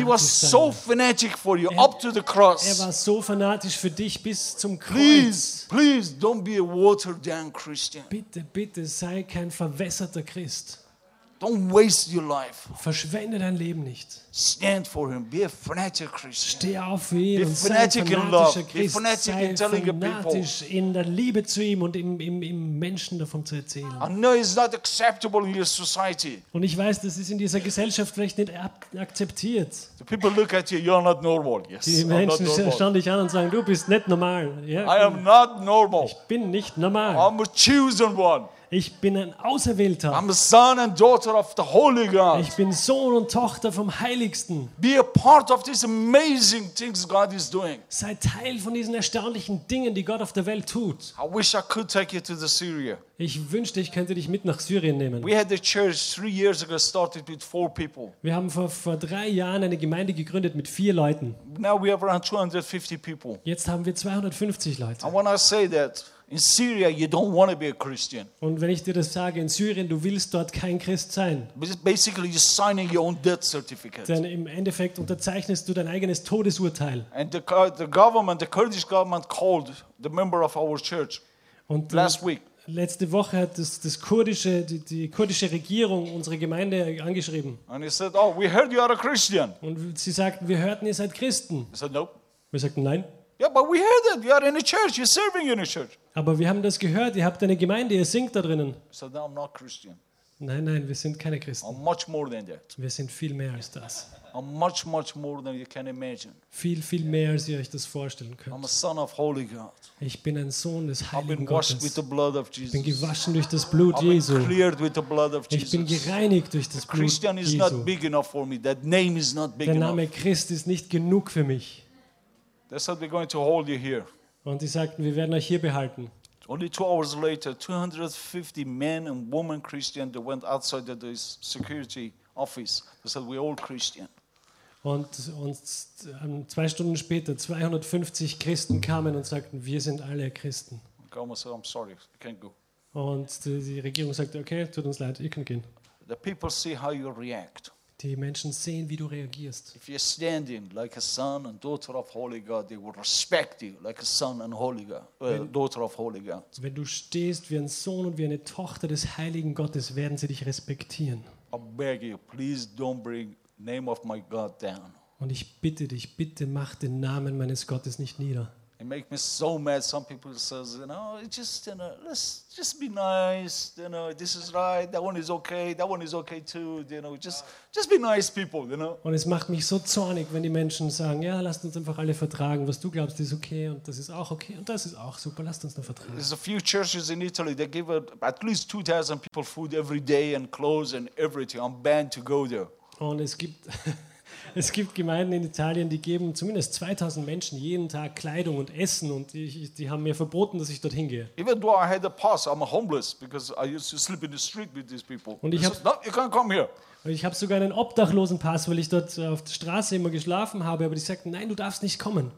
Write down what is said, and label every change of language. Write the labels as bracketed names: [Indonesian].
[German] sein. [English] He was so fanatic for you up to the cross. [German] Er war so fanatisch für dich bis zum Kreuz. [English] Please, please don't be a watered down Christian. [German] Bitte, bitte sei kein verwässerter Christ. [English] Don't waste your life. [German] Verschwende dein Leben nicht. [English] Stand for him. Be a fanatic Christian. [German] Steh auf für ihn. [English] Be fanatic in love. Be fanatic in telling people. [German] Sei fanatisch in der Liebe zu ihm und im Menschen davon zu erzählen. [English] I know it's not acceptable in your society. [German] Und ich weiß, das ist in dieser Gesellschaft vielleicht nicht akzeptiert. [English] The people look at you. You're not normal. Yes. [German] Die Menschen schauen dich an und sagen, du bist nicht normal. [English] I am not normal. [German] Ich bin nicht normal. [English] I'm a chosen one. [German] Ich bin ein Auserwählter. [English] I'm a son and daughter of the Holy God. [German] Ich bin Sohn und Tochter vom Heiligsten. [English] Be a part of these amazing things God is doing. [German] Sei Teil von diesen erstaunlichen Dingen, die Gott auf der Welt tut. [English] I wish I could take you to the Syria. [German] Ich wünschte, ich könnte dich mit nach Syrien nehmen. [English] We had a church 3 years ago started with 4 people. [German] Wir haben vor 3 Jahren eine Gemeinde gegründet mit 4 Leuten. [English] Now we have around 250 people. [German] Jetzt haben wir 250 Leute. [English] And when I say that, in Syria, you don't want to be a Christian. [German] Und wenn ich dir das sage, in Syrien, du willst dort kein Christ sein. [English] Basically, you're signing your own death certificate. [German] Denn im Endeffekt unterzeichnest du dein eigenes Todesurteil. [English] And the government, the Kurdish government, called the member of our church. [German] Und letzte Woche hat die kurdische Regierung unsere Gemeinde angeschrieben. [English] And he said, oh, we heard you are a Christian. [German] Und sie sagten, wir hörten, ihr seid Christen. [English] I said, nope. [German] Wir sagten, nein. [English] Yeah, but we heard that you are in a church, you're serving in a church. [German] Aber wir haben das gehört, ihr habt eine Gemeinde, ihr singt da drinnen. [English] So now I'm not Christian. [German] Nein, nein, wir sind keine Christen. [English] I'm much more than that. [German] Wir sind viel mehr als das. [English] I'm much, much more than you can imagine. [German] Viel, viel mehr, als ihr euch das vorstellen könnt. [English] I'm a son of Holy God. [German] Ich bin ein Sohn des Heiligen Gottes. [English] I've been washed with the blood of Jesus. [German] Ich bin gewaschen durch das Blut Jesu. [English] I've been cleared with the blood of Jesus. [German] Ich bin gereinigt durch das Blut Jesu. [English] Christian is not big enough for me. That name is not big enough. [German] Der Name Christ ist nicht genug für mich. [English] That's how they're going to hold you here. [German] Und sie sagten, wir werden euch hier behalten. [English] Only 2 hours later, 250 men and women Christian that went outside the security office. They said, we're all Christian. [German] Und 2 Stunden später, 250 Christen kamen und sagten, wir sind alle Christen. [English] Come, so I'm sorry, I can't go. [German] Und die Regierung sagte, okay, tut uns leid, ihr könnt gehen. [English] The people see how you react. [German] Die Menschen sehen, wie du reagierst. [English] If you're standing like a son and daughter of Holy God, they will respect you like a son and Holy God, daughter of Holy God. [German] Wenn du stehst wie ein Sohn und wie eine Tochter des Heiligen Gottes, werden sie dich respektieren. [English] I beg you, please don't bring name of my God down. [German] Und ich bitte dich, bitte mach den Namen meines Gottes nicht nieder. [English] It makes me so mad. Some people say, you know, it's just, you know, let's just be nice. You know, this is right. That one is okay. That one is okay too. You know, just be nice people. You know. [German] Und es macht mich so zornig, wenn die Menschen sagen, ja, lasst uns einfach alle vertragen. Was du glaubst, ist okay, und das ist auch okay, und das ist auch super. Lasst uns nur vertragen. [English] There's a few churches in Italy. They give at least 2,000 people food every day and clothes and everything. I'm banned to go there. [German] Und es gibt es gibt Gemeinden in Italien, die geben zumindest 2000 Menschen jeden Tag Kleidung und Essen, und die haben mir verboten, dass ich dorthin gehe. [English] Even though I had a pass, I'm homeless because I used to sleep in the street with these people. [German] Und ich habe sogar einen obdachlosen Pass, weil ich dort auf der Straße immer geschlafen habe, aber die sagten, nein, du darfst nicht kommen.